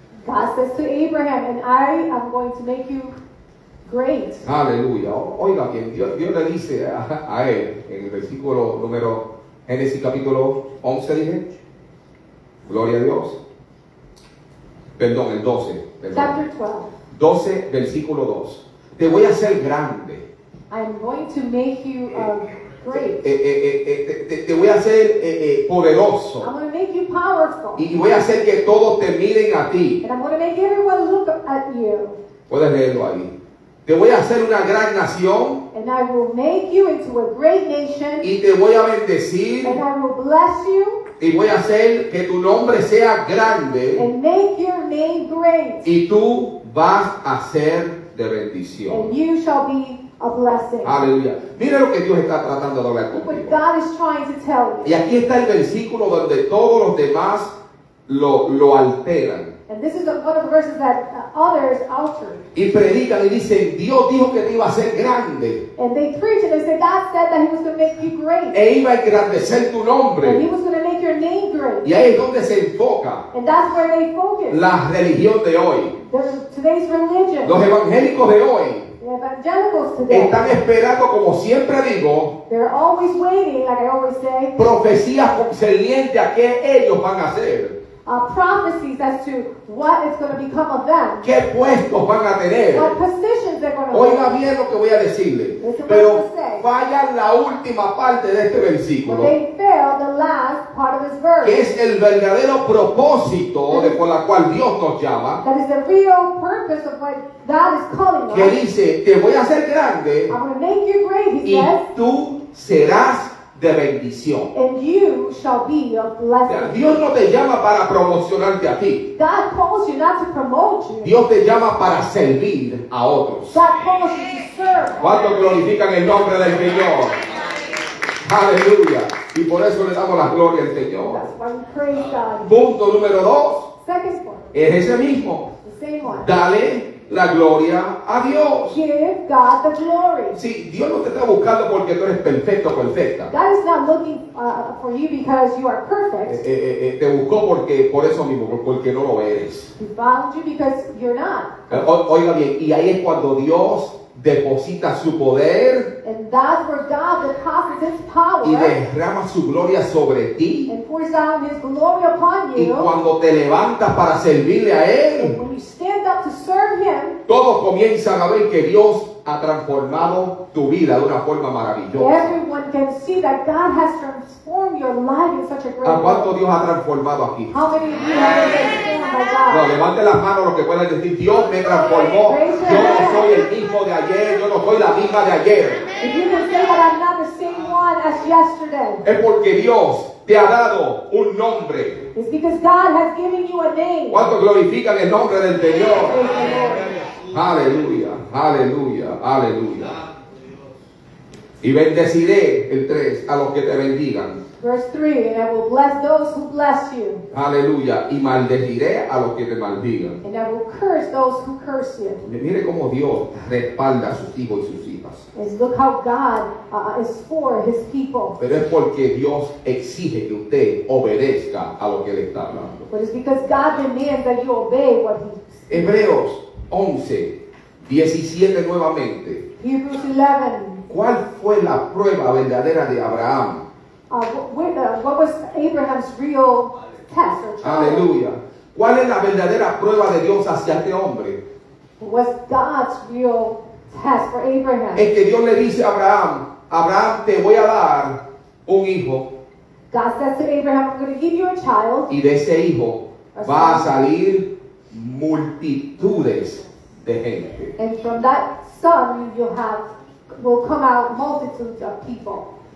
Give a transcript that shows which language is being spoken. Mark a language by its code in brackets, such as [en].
[en] God says to Abraham, and I am going to make you great. [es] Aleluya. Oiga bien, Dios le dice a él en el versículo número Génesis capítulo 11, dije. Gloria a Dios. Perdón, el 12. Perdón. [en] Chapter 12. [es] 12, versículo 2. Te voy a hacer grande. [en] I'm going to make you great. [es] Te voy a hacer poderoso. [en] I'm going to make you powerful. [es] Y voy a hacer que todos te miren a ti. [en] And I'm going to make everyone look at you. [es] Puedes leerlo ahí. Te voy a hacer una gran nación. [en] And I will make you into a great nation. [es] Y te voy a bendecir. [en] And I will bless you. [es] Y voy a hacer que tu nombre sea grande. [en] And make your name great. [es] Y tú vas a ser de bendición. [en] And you shall be a blessing. [es] Aleluya. Mira lo que Dios está tratando de hablar contigo. [en] What God is trying to tell you. [es] Y aquí está el versículo donde todos los demás lo alteran. [en] And this is one of the verses that others alter. [es] Y predican y dicen, Dios dijo que te iba a hacer grande. [en] And they preach and they say, God said that he was going to make you great. [es] E iba a engrandecer tu nombre. [en] And he was going to make your name great. [es] Y ahí es donde se enfoca. [en] And that's where they focus. [es] La religión de hoy. [en] Today's religion. [es] Los evangélicos de hoy. [en] Evangelicals today. [es] Están esperando, como siempre digo, [en] they're always waiting, like I always say, [es] profecías concernientes a qué ellos van a hacer. [en] Prophecies as to what is going to become of them. [es] ¿Qué puestos van a tener? [en] What positions they're going to [es] hold. Oiga bien lo que voy a decirle. Pero falla la última parte de este versículo. [en] They fail the last part of this verse. [es] Que es el verdadero propósito de por la cual Dios nos llama. [en] That is the real purpose of what God is calling us. [es] Que dice, te voy a hacer grande. [en] I'm going to make you great, he [es] y [en] says. [es] Y tú serás de bendición. [en] And you shall be a blessing. [es] Dios no te llama para promocionarte a ti. [en] God calls you not to promote you. [es] Dios te llama para servir a otros. [en] God calls you to serve. [es] ¿Cuántos glorifican el nombre del Señor? Aleluya. Y por eso le damos la gloria al Señor. [en] That's why we praise God. [es] Punto número dos. [en] Second point. [es] Es ese mismo. [en] The same one. [es] Dale la gloria a Dios. [en] Give God the glory. [es] Sí, Dios no te está buscando porque tú eres perfecto o perfecta. [en] God is not looking for you because you are perfect. [es] Te buscó porque, por eso mismo, porque no lo eres. [en] He found you because you're not. [es] Oiga bien, y ahí es cuando Dios deposita su poder. [en] And that's where God deposits his power. [es] Y derrama su gloria sobre ti. [en] And pours out his glory upon you. [es] Y cuando te levantas para servirle a él. [en] And when you stand up to serve him. [es] Todos comienzan a ver que Dios ha transformado tu vida de una forma maravillosa. [en] Everyone can see that God has transformed your life in such a great way. [es] ¿A cuánto Dios ha transformado aquí? [en] How many of you have transformed my God? [es] No, levante las manos los que puedan decir, Dios me transformó. Yo no soy el mismo de ayer. Yo no soy la misma de ayer. [en] If you can say that, I'm not the same one as yesterday. [es] Es porque Dios te ha dado un nombre. [en] It's because God has given you a name. [es] ¿Cuánto glorifican el nombre del Señor? Aleluya, aleluya, aleluya. Y bendeciré, el 3, a los que te bendigan. [en] Verse 3, and I will bless those who bless you. [es] Aleluya, y maldeciré a los que te maldigan. [en] And I will curse those who curse you. [es] Mire cómo Dios respalda a sus hijos y sus hijas. [en] And look how God is for his people. [es] Pero es porque Dios exige que usted obedezca a lo que le está hablando. [en] But it's because God demands that you obey what he says. [es] Hebreos 11, 17 nuevamente. [en] Hebrews 11. [es] ¿Cuál fue la prueba verdadera de Abraham? [en] What was Abraham's real test or trial? [es] Aleluya. ¿Cuál es la verdadera prueba de Dios hacia este hombre? [en] What was God's real test for Abraham? [es] Es que Dios le dice a Abraham, Abraham, te voy a dar un hijo. [en] God says to Abraham, I'm going to give you a child. [es] Y de ese hijo va a salir multitudes de gente. [en] And from that son you have will come out multitudes of people.